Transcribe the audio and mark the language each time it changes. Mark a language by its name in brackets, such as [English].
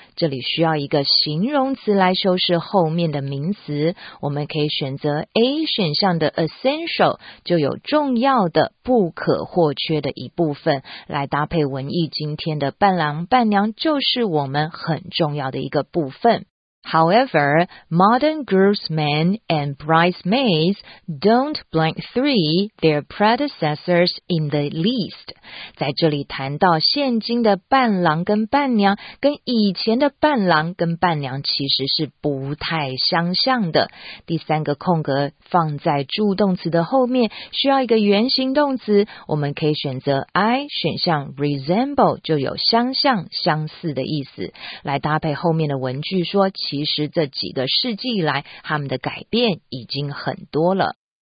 [Chinese] 这里需要一个形容词来修饰后面的名词，我们可以选择 A 选项的 essential， 就有重要的、不可或缺的一部分，来搭配文艺今天的伴郎伴娘就是我们很重要的一个部分。 [English] However, modern groomsmen and bridesmaids don't blank three their predecessors in the least. [Chinese] 在这里谈到现今的伴郎跟伴娘跟以前的伴郎跟伴娘其实是不太相像的。第三个空格放在助动词的后面，需要一个原形动词，我们可以选择 I 选项 resemble， 就有相像、相似的意思，来搭配后面的文句说其实这几个世纪以来，他们的改变已经很多了。